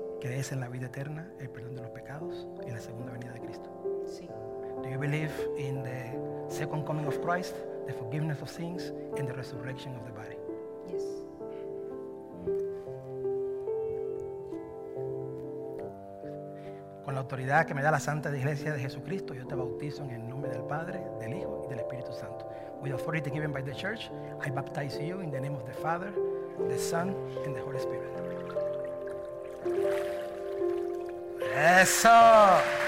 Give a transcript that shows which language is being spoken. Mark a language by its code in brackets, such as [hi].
[es] ¿Crees en la vida eterna, el perdón de los pecados y la segunda venida de Cristo? Sí. [en] Do you believe in the second coming of Christ, the forgiveness of sins and the resurrection of the body? Yes. [es] Con la autoridad que me da la Santa Iglesia de Jesucristo, yo te bautizo en el nombre del Padre, del Hijo y del Espíritu Santo. [en] With authority given by the Church, I baptize you in the name of the Father, the Son, and the Holy Spirit. [es] Eso.